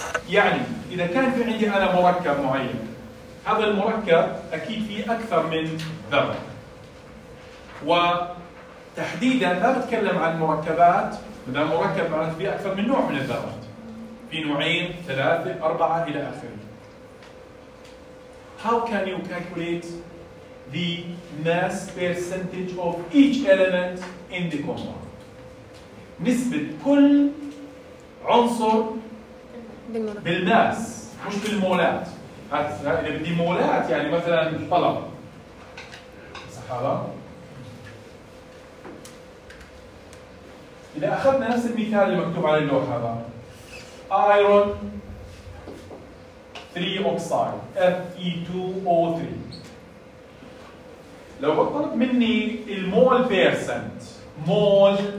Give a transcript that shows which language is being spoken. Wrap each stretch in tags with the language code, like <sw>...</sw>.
<ar>يعني إذا كان في عندي أنا مركب معين، هذا المركب أكيد فيه أكثر من ذرة. وتحديداً ما بتكلم عن مركبات، إذا مركب معناته فيه أكثر من نوع من الذرات، في نوعين، ثلاثة، أربعة إلى آخره.</ar> <en>How can you calculate the mass percentage of each element in the compound.</en> <ar>نسبة كل عنصر بالماس مش بالمولات. إذا بدي مولات يعني مثلا طلب صح هذا؟ إذا أخذنا نفس المثال اللي مكتوب على اللوح هذا iron 3 oxide Fe2O3 لو طلب مني المول بيرسنت مول</ar>